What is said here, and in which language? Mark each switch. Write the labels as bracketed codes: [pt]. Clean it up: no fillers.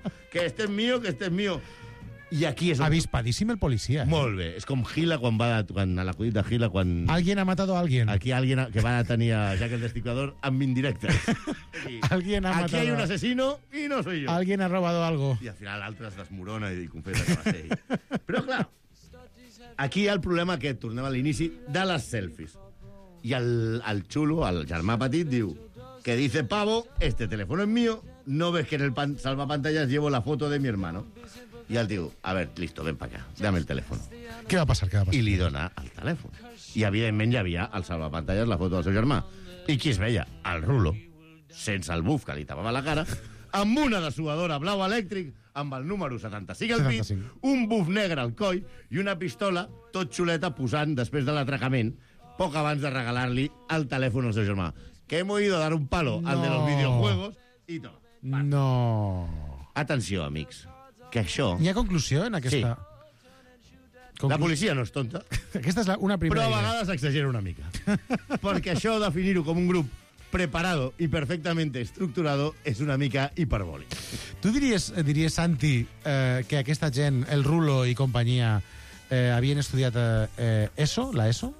[es] Que este es mío, que este es mío. [ca] I aquí és... Avispadíssim el policia. Eh? Molt bé. És com Gila quan va... Quan a l'acudit de Gila, quan... [es] Alguien ha matado a alguien. [ca] Aquí alguien que va tenir a Jack el Destripador amb indirectes. [es] Alguien ha matado... Aquí hay un asesino y no soy yo. Alguien ha robado algo. [ca] I al final l'altre es desmorona i confessa que va ser ell. Però, clar, aquí hi ha el problema que tornem a l'inici de les selfies. I el xulo, el germà petit, diu... [es] Que dice, pavo, este teléfono es mío. No ves que en el salvapantallas llevo la foto de mi hermano. Y al tío, a ver, listo, ven para acá, dame el teléfono. ¿Qué va a pasar? ¿Qué va a pasar? Y le dona al teléfono. Y evidentment ya había al salvapantallas la foto [ca] del seu germà. [es] ¿Y quién es bella? [ca] Al Rulo, sense el buf que li tapava la cara, amb una dessuadora blau elèctric, amb el número 75 al pit, un buf negre al coll i una pistola tot xuleta posant després de l'atracament, poc abans de regalar-li el telèfon al seu germà. [es] Que hemos ido a dar un palo al de los videojuegos y todo. No. [ca] Atenció, amics. Que això... Hi ha conclusió en aquesta? Sí. La policia no és tonta. Aquesta és una primera. Però a vegades exagera una mica. Perquè això, definir-ho com un grup [es] preparado y perfectamente estructurado, [ca] és una mica hiperbòlic. Tu diries Santi, que aquesta gent, el Rulo i companyia, havien estudiat ESO, la ESO?